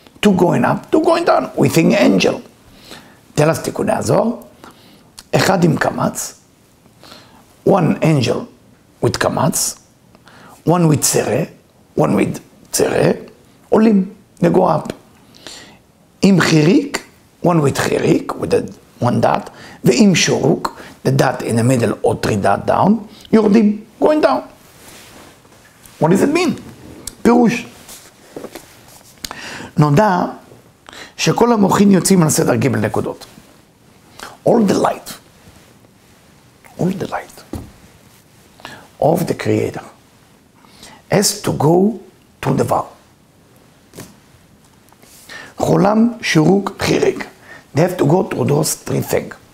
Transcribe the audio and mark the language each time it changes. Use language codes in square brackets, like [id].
[en] two going up, two going down, within angel. Tell us Tikkunei Zohar, [he] Echad im Kamatz, [en] one angel with Kamatz, one with Tzere, one with Tzere, Olim, they go up. Im Chirik, one with Chirik, with the one dot, Ve'im Shuruk, the dot in the middle, or three dot down, Yordim, going down. What does it mean? Pirush. [he] Noda, שכל המוחים יוצאים על סדר ג' נקודות. [en] All the light of the Creator has to go to the Vav. Cholam, Shuruk, Chirik. They have to go through those three things.